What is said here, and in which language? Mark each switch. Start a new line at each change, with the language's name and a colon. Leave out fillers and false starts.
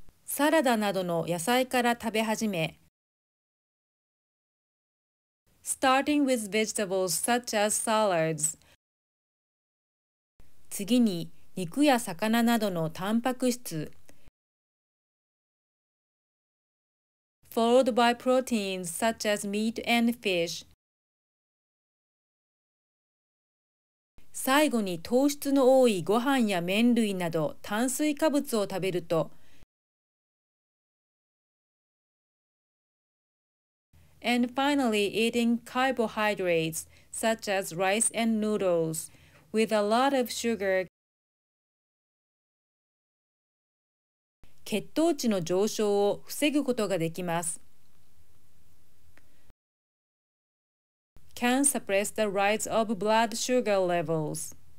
Japanese: サラダなどの野菜から食べ始め。
English: Starting with vegetables such as salads.
Japanese: 次に肉や魚などのタンパク質。
English: Followed by proteins such as meat and fish.
Japanese: 最後に糖質の多いご飯や麺類など炭水化物を食べると。
English: And finally, eating carbohydrates such as rice and noodles with a lot of sugar.
Japanese: 血糖値の上昇を防ぐことができます。
English: Can suppress the rise of blood sugar levels.